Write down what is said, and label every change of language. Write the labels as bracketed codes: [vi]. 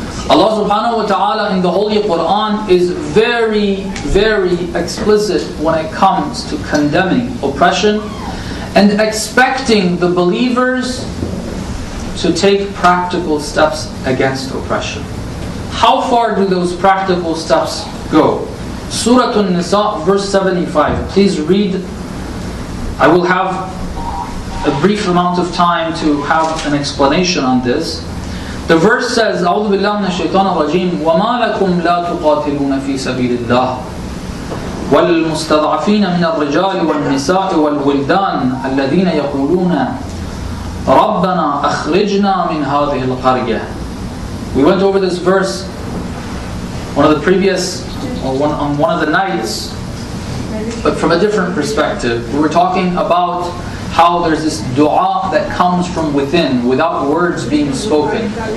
[en] Allah subhanahu wa ta'ala in the Holy Quran is very, very explicit when it comes to condemning oppression and expecting the believers to take practical steps against oppression. How far do those practical steps go? Surah An-Nisa, verse 75. Please read. I will have a brief amount of time to have an explanation on this. The verse says, [ar] أعوذ بالله من الشيطان الرجيم وما لكم لا تقاتلون في سبيل الله والمستضعفين من الرجال والنساء والولدان الذين يقولون ربنا أخرجنا من هذه القرية. [en] We went over this verse one of the previous, or one, on one of the nights, but from a different perspective. We were talking about how there's this dua that comes from within, without words being spoken.